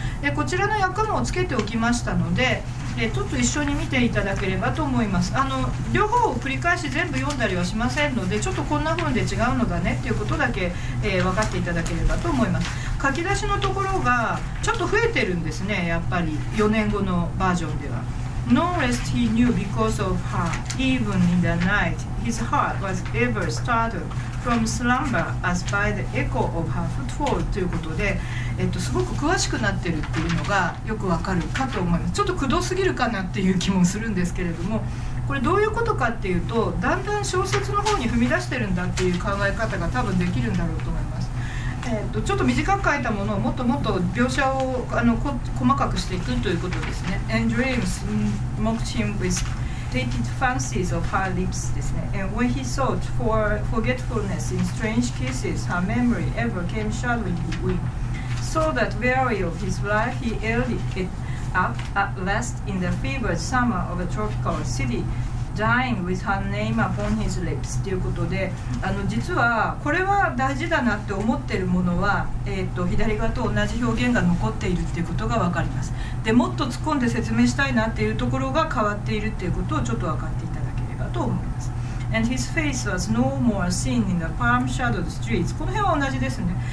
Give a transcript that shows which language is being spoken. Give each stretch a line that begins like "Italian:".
Japanese: でこちらの訳もつけておきましたので、ちょっと一緒に見ていただければと思います。両方を繰り返し全部読んだりはしませんので、ちょっとこんな風で違うのだねっていうことだけ、分かっていただければと思います。書き出しのところがちょっと増えてるんですね、やっぱり4年後のバージョンでは。
English: No rest he knew because of her. Even in the night, his heart was ever startled from slumber as by the echo of her footfall.
Japanese: ということで、すごく詳しくなってるっていうのがよくわかるかと思います。ちょっとくどすぎるかなっていう気もするんですけれども、これどういうことかっていうと、だんだん小説の方に踏み出してるんだっていう考え方が多分できるんだろうと思います。ちょっと短く書いたものをもっともっと描写を細かくしていくということですね。
English: And dreams mocked him with tainted fancies of her lips
Japanese: ですね。
English: And when he sought for forgetfulness in strange kisses, her memory ever came shadowingly in. So that weary of his life, he ended it up at last in the fevered summer of a tropical city. Dying with her name upon his lips
Japanese: ということで、実はこれは大事だなって思ってるものは、左側と同じ表現が残っているっていうことが分かります。でもっと突っ込んで説明したいなっていうところが変わっているっていうことをちょっと分かっていただければと思います。
English: And his face was no more seen in the palm shadowed streets、
Japanese: この辺は同じですね。